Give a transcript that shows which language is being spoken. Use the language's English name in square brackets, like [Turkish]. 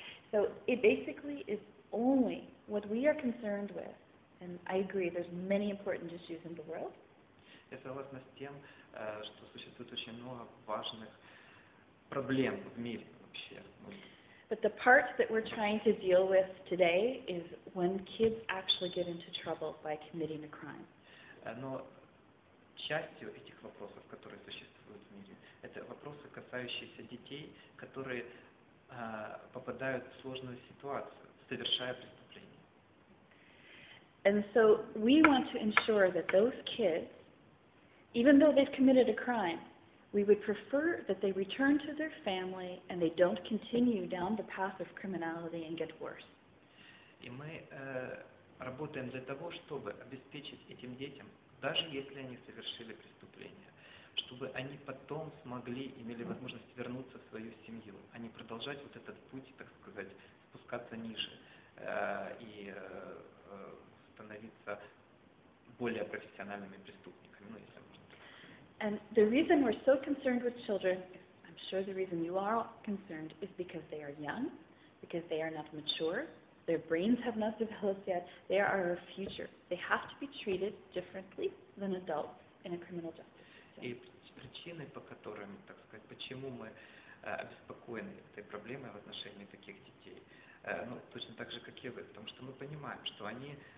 [English] So it basically is only what we are concerned with, and I agree, there's many important issues in the world. [Russian] Я согласна с тем, что существует очень много важных проблем в мире вообще. [English] But the part that we're trying to deal with today is when kids actually get into trouble by committing a crime. [Russian] Но частью этих вопросов, которые существуют в мире, это вопросы, касающиеся детей, которые попадают в сложную ситуацию, совершая преступление. [English] And so we want to ensure that those kids, even though they've committed a crime, we would prefer that they return to their family and they don't continue down the path of criminality and get worse. [Russian] И мы работаем для того, чтобы обеспечить этим детям, даже если они совершили преступление, чтобы они потом смогли, имели возможность вернуться в свою семью, а не продолжать вот этот путь, так сказать, спускаться ниже и становиться более профессиональными преступниками, ну, если можно так сказать. [English] And the reason we're so concerned with children, I'm sure the reason you are concerned, is because they are young, because they are not mature, their brains have not developed yet, they are our future. They have to be treated differently than adults in a criminal justice. [Russian] И причины, по которым, так сказать, почему мы обеспокоены этой проблемой в отношении таких детей, ну, точно так же, как и вы, потому что мы понимаем, что они